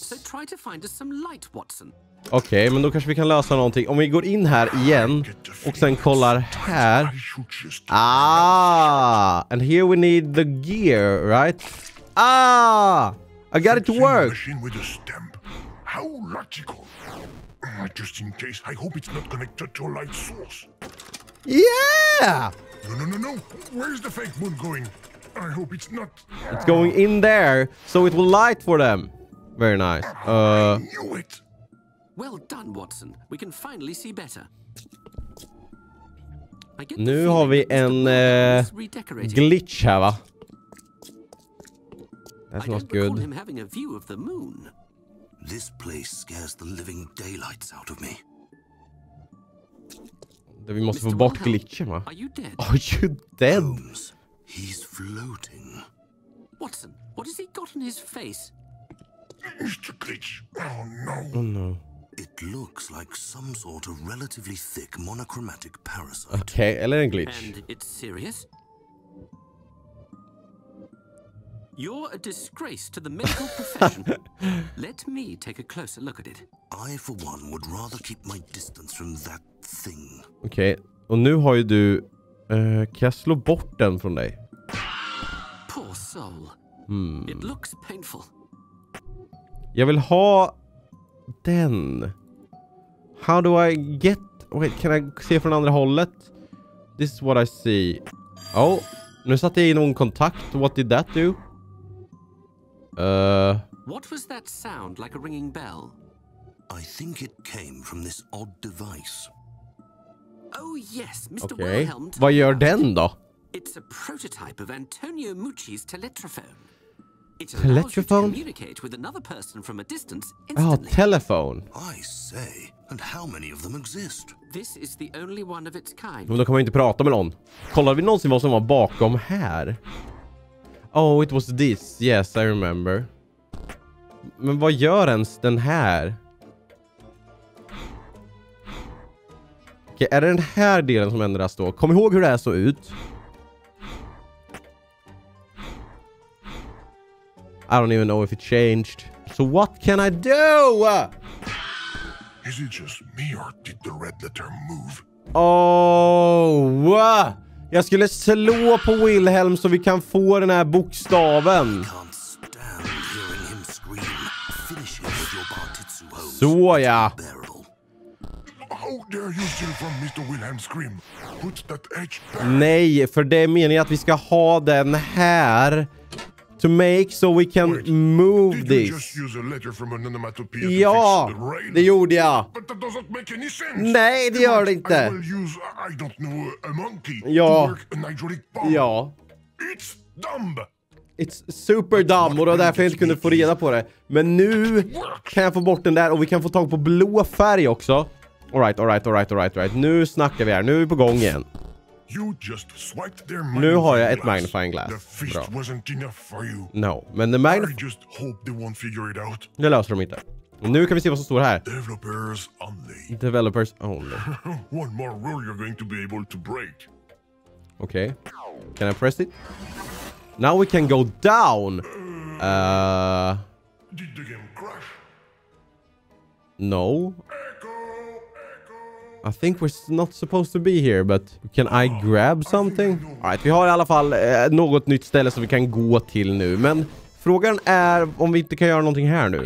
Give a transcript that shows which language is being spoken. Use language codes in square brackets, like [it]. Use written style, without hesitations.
[en] So try to find us some light, Watson. [sv] Okej, men då kanske vi kan lösa någonting. Om vi går in här igen och sen kollar här. [en] Ah! And here we need the gear, right? Ah! I got it to work. Machine with a stamp. How logical. Just in case, I hope it's not connected to a light source. Yeah! No, no, no, no. Where's the fake moon going? I hope it's not. It's going in there, so it will light for them. Very nice. I knew it. Well done, Watson. We can finally see better. [sv] Nu har vi en glitch här, va? [en] That's not good. I don't recall him having a view of the moon. This place scares the living daylights out of me. [sv] Det vi måste Mr. få bort glitchen, va? [en] Are you dead? Are you dead? Holmes, he's floating. Watson, what has he got on his face? Mr. Glitch, oh no. Oh no. It looks like some sort of relatively thick monochromatic parasite. [sv] Okay, eller en glitch. [en] And it's serious? You're a disgrace to the medical profession. Let me take a closer look at it. I for one would rather keep my distance from that thing. [sv] Okej, okay. Och nu har ju du kan jag slå bort den från dig? [en] Poor soul. It looks painful. [sv] Jag vill ha den. How do I get? [en] Wait, can I se från andra hållet? This is what I see. [sv] Oh, nu satte jag i någon kontakt. [en] What did that do? What was that sound like a ringing bell? I think it came from this odd device. Oh yes, Mr. Okay. Wilhelm. [sv] Vad gör den då? [en] It's a prototype of Antonio Mucci's telephone. It's a telephone to communicate with another person from a distance instantly. Oh, telephone. I say, and how many of them exist? This is the only one of its kind. [sv] Men då kan man inte prata med någon. Kollar vi någonsin vad som var bakom här? Oh, it was this. Yes, I remember. Men vad gör ens den här? Okej, är det den här delen som ändras då? Kom ihåg hur det här såg ut. [en] I don't even know if it changed. So what can I do? Is it just me or did the red letter move? Oh! [sv] Jag skulle slå på Wilhelm så vi kan få den här bokstaven. Såja. [en] How dare you steal from Mr. Wilhelm's scream? Put that edge back. [sv] Nej, för det menar jag att vi ska ha den här. [en] To make so we can Wait, move did you this. Just use a letter from an onomatopoeia [sv] ja, [en] to fix the rain? [sv] Det gjorde jag. [en] But that doesn't make any sense. [sv] Nej, det gör det inte. [en] I will use, I don't know, a monkey [sv] ja. [en] To work an hydraulic pump. [sv] Ja. [en] It's dumb. [sv] It's super dumb och det var därför jag inte kunde få reda på det. Men nu kan jag få bort den där och vi kan få tag på blå färg också. All right. Nu snackar vi här. Nu är vi på gång igen. [en] You just swiped their [sv] magnifying glass. Nu har jag ett magnifying glass. [en] The feast [sv] bra. [en] Wasn't enough for you. No, men the magnifying... I just hope they won't figure it out. [sv] Det löser de inte. Nu kan vi se vad som står här. [en] Developers only. Developers only. One more rule you're going to be able to break. Okay. Can I press it? Now we can go down. Did the game crash? No. I think we're not supposed to be here, but can I grab something? [sv] All right, vi har i alla fall något nytt ställe som vi kan gå till nu. Men frågan är om vi inte kan göra någonting här nu.